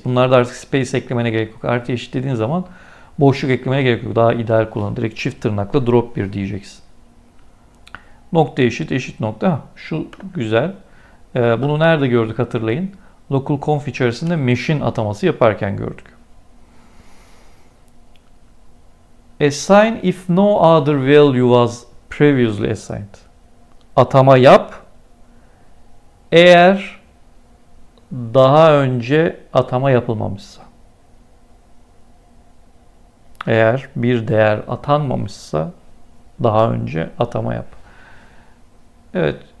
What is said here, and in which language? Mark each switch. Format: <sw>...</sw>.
<tr>Bunlar da artık space eklemene gerek yok. Artı eşit dediğin zaman boşluk eklemeye gerek yok. Daha ideal kullan. Direkt çift tırnakla drop 1 diyeceksin. Nokta eşit eşit nokta. Ha, şu güzel. Bunu nerede gördük hatırlayın. Localconf içerisinde machine ataması yaparken gördük.</tr> <en>Assign if no other value was previously assigned.</en> <tr>Atama yap. Eğer daha önce atama yapılmamışsa. Eğer bir değer atanmamışsa daha önce atama yap. Evet.</tr>